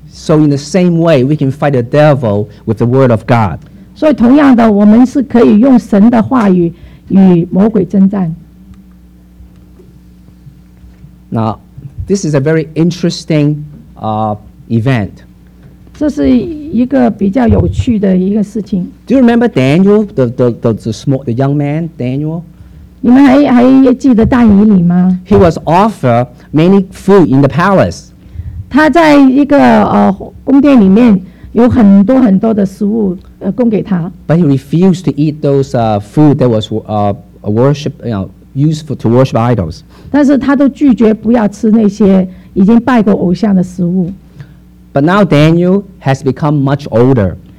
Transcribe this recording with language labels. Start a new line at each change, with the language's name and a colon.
English: So in the same way, we can fight the devil with the word of God.
Chinese: 所以同样的，我们是可以用神的话语与魔鬼征战。
English: Now, this is a very interesting event.
Chinese: 这是一个比较有趣的一个事情。
English: Do you remember Daniel, the young man, Daniel?
Chinese: 你们还记得大以理吗
English: ？He was offered many food in the palace.
Chinese: 他在一个宫殿里面有很多很多的食物供给他。
English: But he refused to eat those food that was worship, you know. Used to worship idols.
Chinese: 但是他都拒绝不要吃那些已经拜过偶像的食物。
English: But now Daniel has become much older.